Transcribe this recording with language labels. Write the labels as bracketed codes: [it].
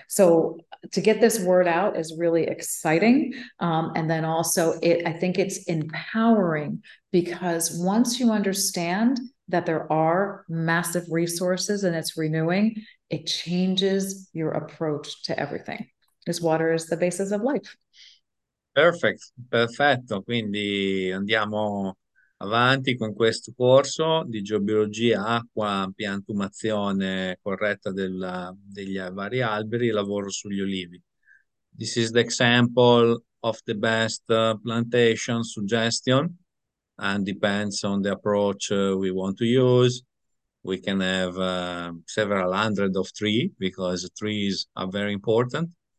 [en] So to get this word out is really exciting. And then also, I think it's empowering, because once you understand that there are massive resources and it's renewing, it changes your approach to everything. This water is the basis of life. Perfect, perfetto. [it] Quindi andiamo avanti con questo corso di geobiologia, acqua, piantumazione corretta degli vari alberi, lavoro sugli olivi. [en] This is the example of the best plantation suggestion, and depends on the approach we want to use. We can have several hundred of trees, because trees are very important.